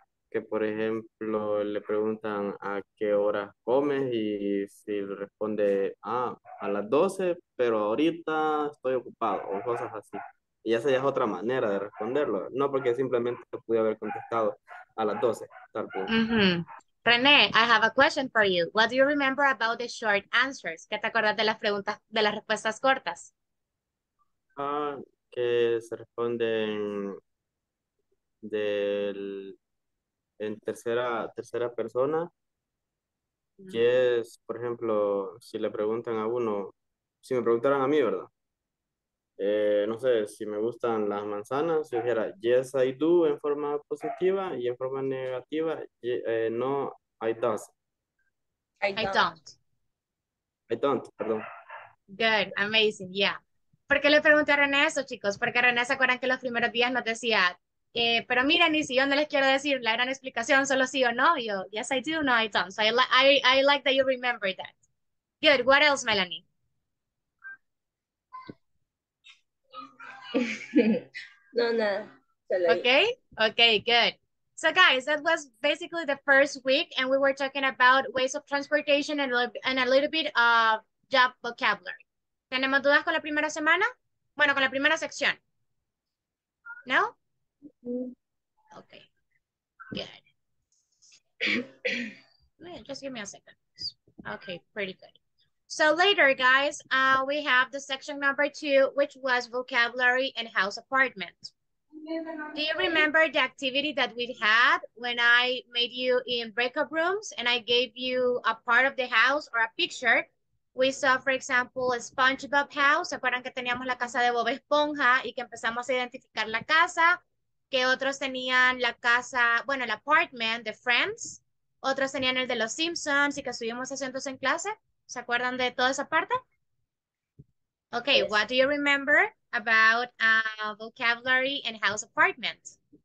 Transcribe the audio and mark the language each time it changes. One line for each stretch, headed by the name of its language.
Spanish: Que por ejemplo le preguntan a qué horas comes y si le responde a las 12, pero ahorita estoy ocupado o cosas así. Y esa ya es otra manera de responderlo, no porque simplemente pude haber contestado a las 12, tal vez.
English: René, I have a question for you. What do you remember about the short answers?
Spanish: ¿Qué te acuerdas de las preguntas, de las respuestas cortas? Ah, que se responden del. En tercera persona, que es, por ejemplo, si le preguntan a uno, si me preguntaran a mí, ¿verdad? No sé, si me gustan las manzanas, yo dijera,
English: yes, I do,
Spanish: en forma positiva, y en forma negativa,
English: no, I don't. I I don't,
Spanish: perdón.
English: don't. Good, amazing, yeah.
Spanish: ¿Por qué le pregunté a René eso, chicos? Porque René, ¿se acuerdan que los primeros días nos decía, pero miren, y si yo no les quiero decir la gran explicación, solo sí o no?
English: Yo, yes, I do, no, I don't. So I like that you remember that. Good, what else, Melanie?
Spanish: No, no, solo ahí.
English: Okay, good. So guys, that was basically the first week, and we were talking about ways of transportation and a little bit of job vocabulary.
Spanish: ¿Tenemos dudas con la primera semana? Bueno, con la primera sección. ¿No? Okay. Good.
English: Just give me a second. Okay, pretty good. So later, guys, we have the section number two, which was vocabulary and house apartment. Do you remember the activity that we had when I made you in breakout rooms and I gave you a part of the house or a picture? We saw, for example, a SpongeBob house.
Spanish: ¿Se acuerdan que teníamos la casa de Bob Esponja y que empezamos a identificar la casa? ¿Qué otros tenían la casa, bueno, el apartment de Friends? ¿Otros tenían el de los Simpsons y que estuvimos haciendo eso en clase? ¿Se acuerdan de toda esa parte? Okay,
English: Yes. what do you remember about vocabulary and house apartments?